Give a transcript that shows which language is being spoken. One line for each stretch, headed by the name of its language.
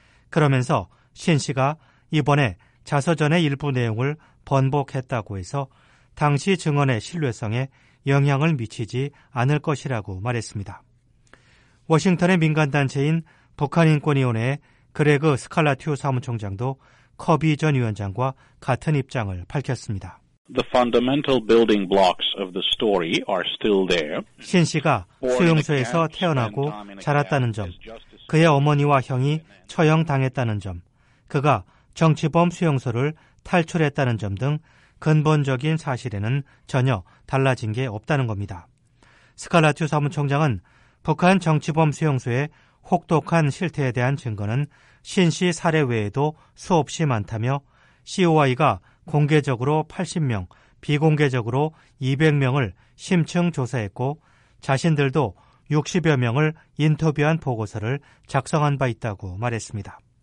Korean: 그러면서 신 씨가 이번에 자서전의 일부 내용을 번복했다고 해서 당시 증언의 신뢰성에 영향을 미치지 않을 것이라고 말했습니다. 워싱턴의 민간단체인 북한인권위원회의 그레그 스칼라티오 사무총장도 커비 전 위원장과 같은 입장을 밝혔습니다.
English: The fundamental building blocks of the story are still there.
Korean: 신 씨가 수용소에서 태어나고 자랐다는 점, 그의 어머니와 형이 처형당했다는 점, 그가 정치범 수용소를 탈출했다는 점 등 근본적인 사실에는 전혀 달라진 게 없다는 겁니다. 스칼라티오 사무총장은 북한 정치범 수용소의 혹독한 실태에 대한 증거는 신 씨 사례 외에도 수없이 많다며 COI가 공개적으로 80명, 비공개적으로 200명을 심층 조사했고 자신들도 60여 명을 인터뷰한 보고서를 작성한 바 있다고 말했습니다.